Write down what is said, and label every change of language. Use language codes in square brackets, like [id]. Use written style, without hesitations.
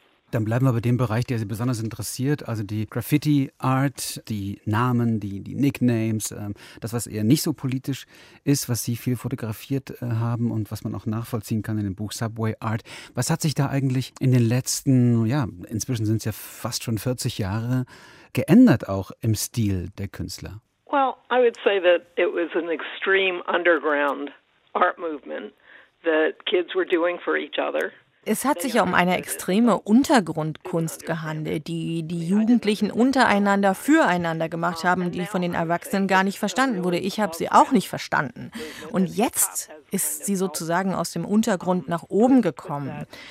[de] Dann bleiben wir bei dem Bereich, der Sie besonders interessiert, also die Graffiti-Art, die Namen, die Nicknames, das, was eher nicht so politisch ist, was Sie viel fotografiert haben und was man auch nachvollziehen kann in dem Buch Subway Art. Was hat sich da eigentlich in den letzten, ja, inzwischen sind es ja fast schon 40 Jahre, geändert auch im Stil der Künstler? [en] Well, I would say that it was an extreme underground art movement that kids were doing for each other. [de] Es hat sich ja um eine extreme Untergrundkunst gehandelt, die Jugendlichen untereinander, füreinander gemacht haben, die von den Erwachsenen gar nicht verstanden wurde. Ich habe sie auch nicht verstanden. Und jetzt ist sie sozusagen aus dem Untergrund nach oben gekommen.